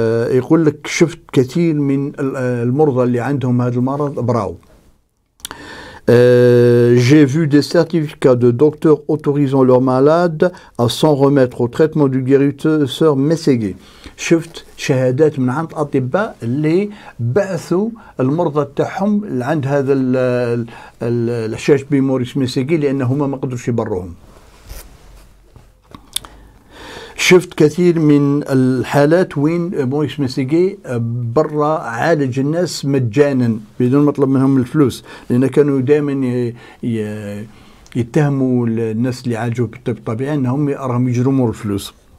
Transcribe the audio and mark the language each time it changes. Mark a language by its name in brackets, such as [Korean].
[Arabic] يقول لك شفت كثير من المرضى اللي عندهم هذا المرض براو. [French] J'ai vu des certificats de docteurs autorisant leurs malades à s'en remettre au traitement du guérisseur Meségué. [Arabic] شفت شهادات من عند أطباء اللي بعثوا المرضى تاعهم عند هذا الشاش بيموريس ميسيغي لأنهما ما قدروش يبروهم. شفت كثير من الحالات وين موريس ميسيغي برا عالج الناس مجانا بدون مطلب منهم الفلوس لان كانوا دائما يتهموا الناس اللي عالجوا بالطب الطبيعي انهم راهم يجرموا الفلوس.